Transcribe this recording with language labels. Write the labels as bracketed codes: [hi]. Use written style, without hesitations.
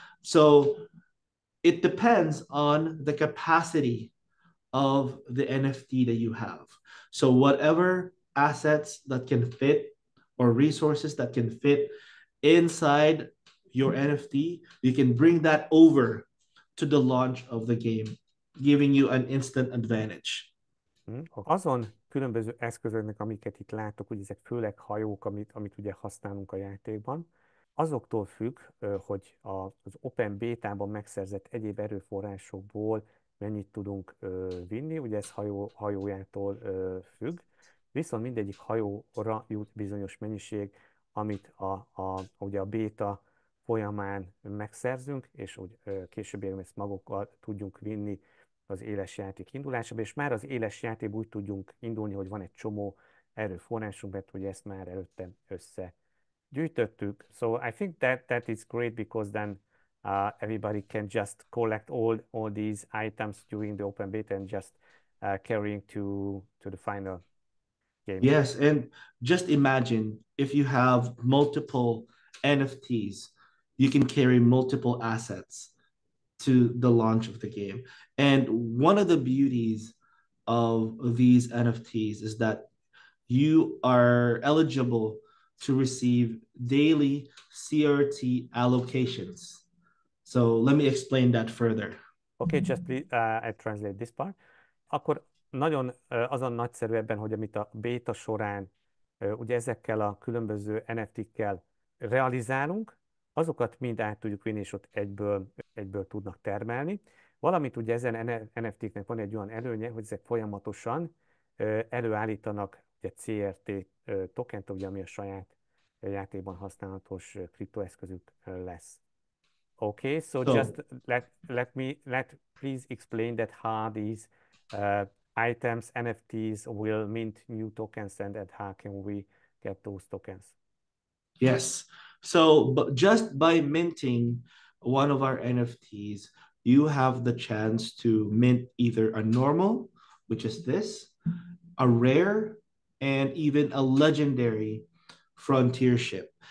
[en] So it depends on the capacity of the NFT that you have. So whatever assets that can fit or resources that can fit inside your NFT, you can bring that over to the launch of the game, giving you an instant advantage. [hu] Azon különböző eszközöknek, amiket itt látok, hogy ezek főleg hajók, amit ugye használunk a játékban, azoktól függ, hogy az Open Beta-ban megszerzett egyéb erőforrásokból mennyit tudunk vinni, ugye ez hajójától függ, viszont mindegyik hajóra jut bizonyos mennyiség, amit ugye a béta folyamán megszerzünk, és hogy később ezt magukkal tudjunk vinni az éles játék indulásába, és már az éles játék úgy tudjunk indulni, hogy van egy csomó erőforrásunk, mert ugye ezt már előtte összegyűjtöttük. [en] So I think that is great, because then everybody can just collect all these items during the open beta and just carrying to the final game. Yes, and just imagine if you have multiple NFTs, you can carry multiple assets to the launch of the game. And one of the beauties of these NFTs is that you are eligible to receive daily CRT allocations. So let me explain that further. Okay, just please, I translate this part. [hu] Akkor nagyon azon nagyszerű ebben, hogy amit a beta során ugye ezekkel a különböző NFT-kkel realizálunk, azokat mind át tudjuk vinni, és ott egyből tudnak termelni. Valamint ugye ezen NFT-knek van egy olyan előnye, hogy ezek folyamatosan előállítanak ugye CRT tokent, ugye, ami a saját játékban használatos kriptoeszközük lesz. [en] Okay, so just let please explain that how these items, NFTs will mint new tokens and that how can we get those tokens? Yes. So just by minting one of our NFTs, you have the chance to mint either a normal, which is this, a rare, and even a legendary frontier ship.